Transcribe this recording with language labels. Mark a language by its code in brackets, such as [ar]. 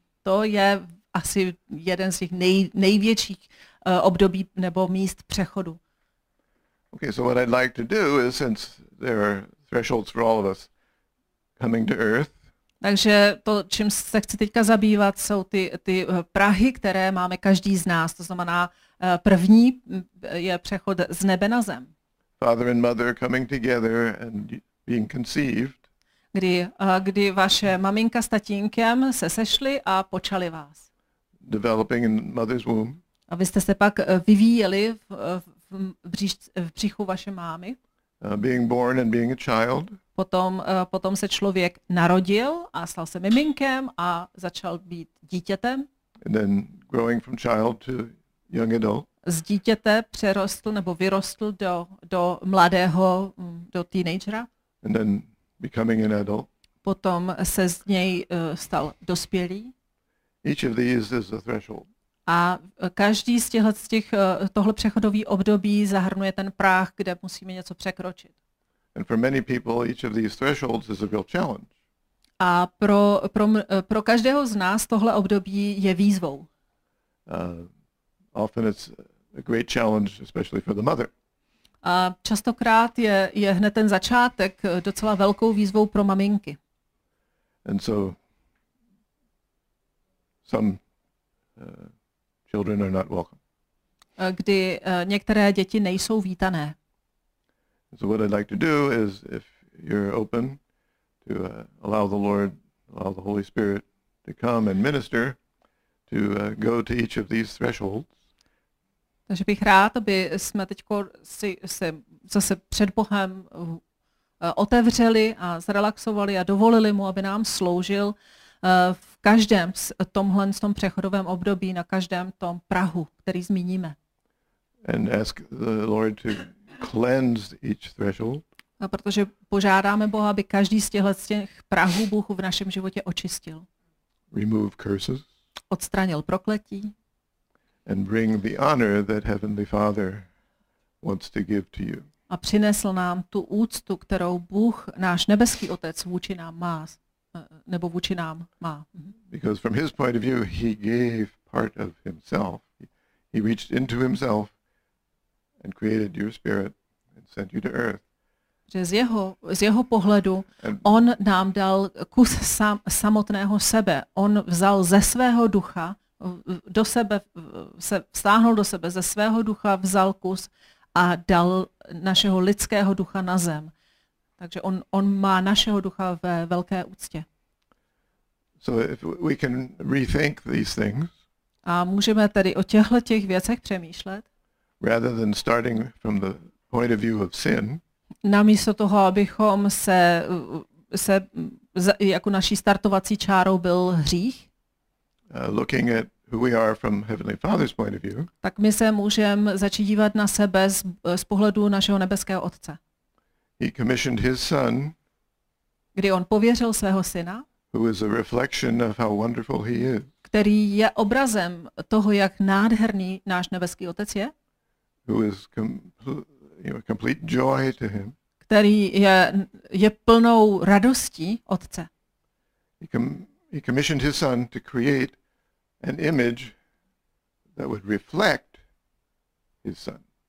[cs] To je asi jeden z těch největších období nebo míst přechodu. [en] Okay, so what I'd like to do is, since there are thresholds for all of us coming to earth, [cs] takže to, čím se chci teďka zabývat, jsou ty prahy, které máme každý z nás. To znamená, první je přechod z nebe na zem. [en] Father and mother coming together and being conceived. [cs] Kdy vaše maminka s tatínkem se sešli a počali vás. [en] Developing in mother's womb. [cs] A vy jste se pak vyvíjeli v břichu vaše mámy. [en] Being born and being a child. [cs] Potom se člověk narodil a stal se miminkem a začal být dítětem. [en] And then growing from child to young adult. [cs] Z dítěte přerostl nebo vyrostl do mladého, do teenagera. [en] And then becoming an adult. [cs] Potom se z něj stal dospělý. [en] Each of these is a threshold. [cs] A každý z tohle přechodový období zahrnuje ten práh, kde musíme něco překročit. [en] And for many people, each of these thresholds is a real challenge. [cs] A pro každého z nás tohle období je výzvou. [en] Often it's a great challenge, especially for the mother. [cs] A častokrát je hned ten začátek docela velkou výzvou pro maminky. [en] And so some children are not welcome. [cs] Kdy některé děti nejsou vítané. [en] So what I'd like to do is, if you're open to allow the Lord, allow the Holy Spirit to come and minister, to go to each of these thresholds. [cs] Takže bych rád, aby jsme teďko si zase před Bohem otevřeli a zrelaxovali a dovolili mu, aby nám sloužil v každém z tomhle z tom přechodovém období, na každém tom prahu, který zmíníme. [en] And ask the Lord to cleanse each threshold. [cs] A protože požádáme Boha, aby každý z těch prahů Bůh v našem životě očistil. [en] Remove curses. [cs] Odstranil prokletí. [en] And bring the honor that Heavenly Father wants to give to you. [cs] A přinesl nám tu úctu, kterou Bůh, náš nebeský Otec, vůči nám má. Nebo vůči nám má. [en] Because from his point of view, he gave part of himself. He reached into himself and created your spirit and sent you to earth. [cs] Z jeho pohledu on nám dal kus samotného sebe. On vzal ze svého ducha do sebe, se vstáhnul do sebe, ze svého ducha vzal kus a dal našeho lidského ducha na zem. Takže on má našeho ducha ve velké úctě. [en] So if we can rethink these things. [cs] A můžeme tedy o těchto těch věcech přemýšlet. [en] Rather than starting from the point of view of sin. [cs] Namísto toho, abychom se se jako naší startovací čárou byl hřích. [en] Looking at who we are from Heavenly Father's point of view. [cs] Tak my se můžeme začít dívat na sebe z pohledu našeho nebeského Otce. [en] He commissioned his son. [cs] Kdy on pověřil svého syna. [en] Who is a reflection of how wonderful he is. [cs] Který je obrazem toho, jak nádherný náš nebeský Otec je. [en] Who is complete joy to him. [cs] Který je plnou radostí Otce. [en] He commissioned his son to create an image that would reflect his son.